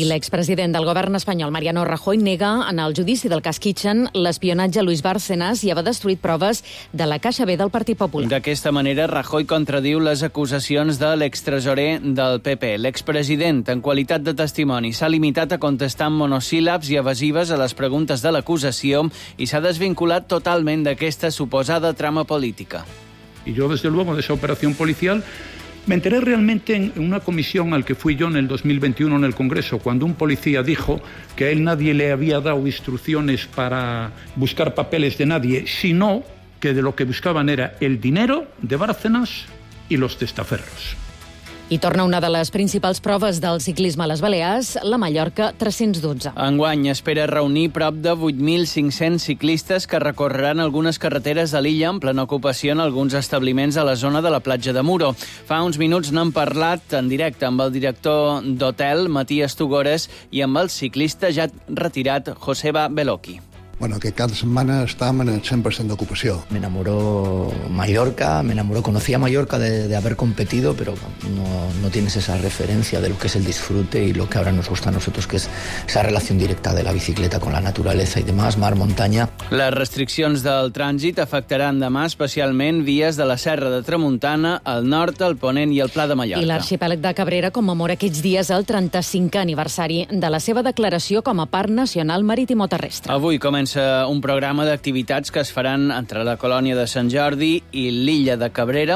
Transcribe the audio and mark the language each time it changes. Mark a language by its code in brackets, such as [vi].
[ca] I l'expresident del govern espanyol, Mariano Rajoy, nega en el judici del cas Kitchen l'espionatge a Luis Bárcenas i va destruir proves de la Caixa B del Partit Popular. D'aquesta manera, Rajoy contradiu les acusacions de l'extresorer del PP. L'expresident, en qualitat de testimoni, s'ha limitat a contestar amb monosíl·labs i evasives a les preguntes de l'acusació i s'ha desvinculat totalment d'aquesta suposada trama política. [es] Y yo, desde luego, de esa operación policial, me enteré realmente en una comisión al que fui yo en el 2021 en el Congreso, cuando un policía dijo que a él nadie le había dado instrucciones para buscar papeles de nadie, sino que de lo que buscaban era el dinero de Bárcenas y los testaferros. [ca] I torna una de les principals proves del ciclisme a les Balears, la Mallorca 312. Enguany espera reunir prop de 8.500 ciclistes que recorreran algunes carreteres de l'illa en plena ocupació en alguns establiments a la zona de la platja de Muro. Fa uns minuts n'han parlat en directe amb el director d'hotel, Matías Tugores, i amb el ciclista ja retirat, Joseba Beloki. Bueno, que cada setmana estàvem en el 100% d'ocupació. [es] Me enamoró Mallorca, me enamoró... Conocía Mallorca de haber competido, pero no tienes esa referencia de lo que es el disfrute y lo que ahora nos gusta a nosotros, que es esa relación directa de la bicicleta con la naturaleza y demás, mar, muntanya. [ca] Les restriccions del trànsit afectaran demà especialment vies de la Serra de Tramuntana, el Nord, el Ponent i el Pla de Mallorca. I l'arxipèlag de Cabrera commemora aquests dies el 35è aniversari de la seva declaració com a Parc Nacional Maritimo-Terrestre. Avui comença un programa d'activitats que es faran entre la colònia de Sant Jordi i l'illa de Cabrera.